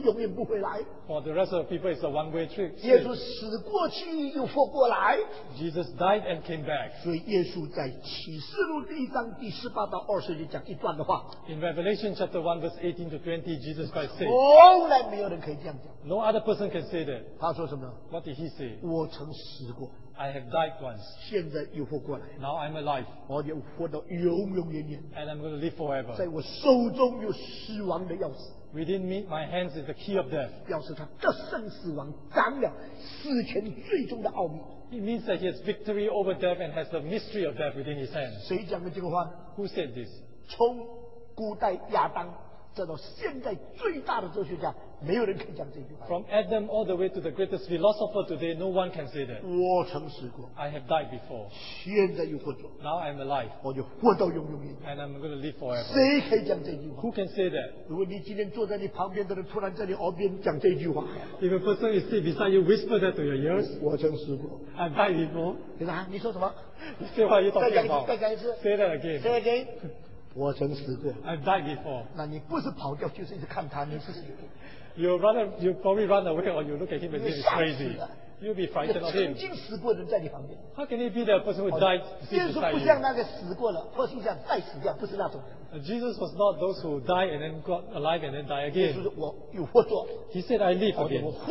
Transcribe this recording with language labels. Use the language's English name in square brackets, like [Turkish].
[English] For the rest of the people, it's a one-way trip. [Chinese] 耶稣死过去又活过来, [English] Jesus died and came back. [Chinese] 所以耶稣在启示录第一章第十八到二十节讲一段的话, [English] In Revelation chapter 1, verse 18 to 20, Jesus Christ said, [Chinese] 从来没有人可以这样讲, [English] No other person can say that. [Chinese] 他说什么? [English] What did he say? [Chinese] 我曾死过, [English] I have died once. Now I'm alive. And I'm going to live forever. [Chinese] 在我手中有死亡的钥匙, [English] Within me, my hands is the key of death. [Chinese] 表示他得胜死亡，掌握死前最终的奥秘。 [English] It means that he has victory over death and has the mystery of death within his hands. [Chinese] 谁讲的这个话? [English] Who said this? [Chinese] 从古代亚当, 这到现在最大的哲学家, [English] From Adam all the way to the greatest philosopher today, no one can say that. [Chinese] 我曾死过, [English] I have died before. [Chinese] 现在又活着, [English] now I am alive. [Chinese] 我就活到永永远, [English] and I'm going to live forever. [Chinese] 谁可以讲这句话? [English] Who can say that? [Chinese] 如果你今天坐在你旁边的人突然在你耳边讲这句话, [English] If a person is sitting beside you, whisper that to your ears. [Chinese] 我曾死过, [English] I've died before. [Chinese] 你说, 你说什么? 你说话, [English] you talking about? Say that again. Say again. [Chinese] 我曾死过, [English] I've died before. [Chinese] 那你不是跑掉, 就是一直看他, 你是谁? [English] You'll probably run away or you look at him and think he's crazy. You'll be frightened of him. How can it be that a person who died Jesus was not those who died and then got alive and then die again. He said, I live again.